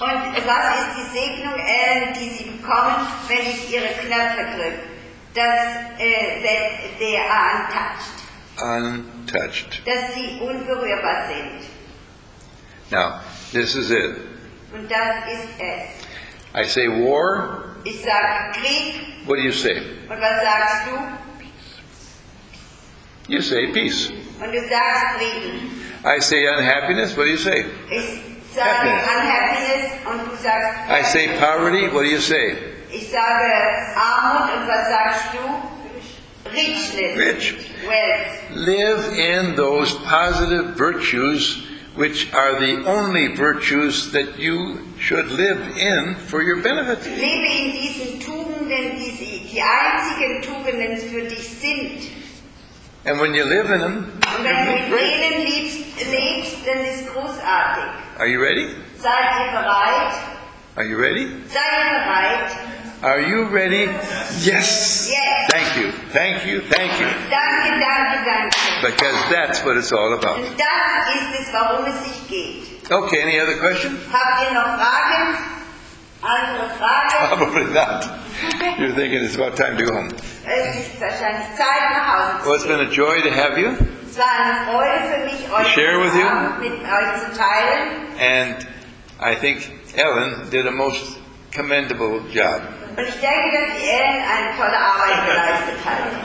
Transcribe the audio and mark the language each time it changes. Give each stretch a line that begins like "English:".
German: Und was ist die Segnung, die sie bekommen, wenn ich ihre Knöpfe drücke? Dass
English: they are untouched.
German: Dass sie unberührbar sind.
English: Now, this is it.
German: Und das ist es.
English: I say war.
German: Ich sag Krieg.
English: What do you say?
German: Und was sagst du?
English: Peace. You say peace.
German: Und du sagst Frieden.
English: I say unhappiness. What do you say?
German: Ich sage
English: happiness. Unhappiness.
German: Und du sagst
English: I say poverty. What do you say?
German: Ich sage Armut und was sagst du?
English: Richness. Rich. Wealth. Live in those positive virtues which are the only virtues that you should live in for your benefit.
German: Lebe in diesen Tugenden, die einzigen Tugenden für dich sind.
English: And when you live in them,
German: und wenn du in denen lebst, dann ist großartig.
English: Are you ready?
German: Seid ihr bereit?
English: Are you ready?
German: Seid ihr bereit?
English: Are you ready? Yes. Yes. Thank you. Thank you. Thank you.
German: Danke, danke, danke.
English: Because that's what it's all about.
German: Und das ist es, worum es sich geht.
English: Okay, any other questions?
German: Habt ihr noch Fragen? Andere Fragen?
English: Probably not. You're thinking it's about time to go home.
German: Es ist wahrscheinlich Zeit, nach Hause zu gehen.
English: Well, it's been a joy to have you.
German: Es war eine Freude für mich, mit euch zu teilen.
English: And I think Ellen did a most commendable job.
German: Und ich denke, dass die Ellen eine tolle Arbeit geleistet hat.